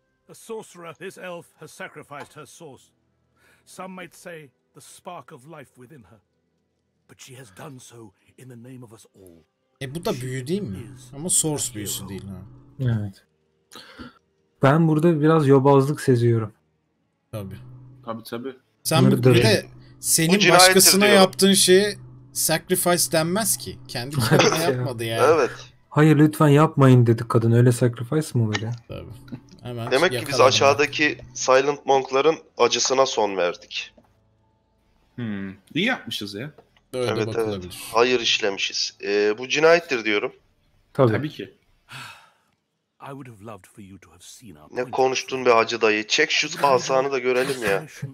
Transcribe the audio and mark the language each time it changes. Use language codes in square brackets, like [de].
[en] A sorcerer, this elf has sacrificed her source. Some might say the spark of life within her. But she has done so in the name of us all. [tr] E bu da büyü değil mi? Ama source büyüsü değil ha. Evet. Ben burada biraz yobazlık seziyorum. Tabii. Sen bir de senin başkasına diyorum. Yaptığın şeyi sacrifice denmez ki. Kendi kendine yapmadı yani. Evet. Hayır lütfen yapmayın dedi kadın. Öyle sacrifice mı olur ya? Tabii. Hemen demek ki biz aşağıdaki ben. Silent Monk'ların acısına son verdik. İyi yapmışız ya. Böyle evet evet. Hayır işlemişiz. Bu cinayettir diyorum. Tabii ki. [en] I would have loved for you to have seen our. [tr] Ne konuştun be hacı dayı? Çek şu asanı da görelim ya.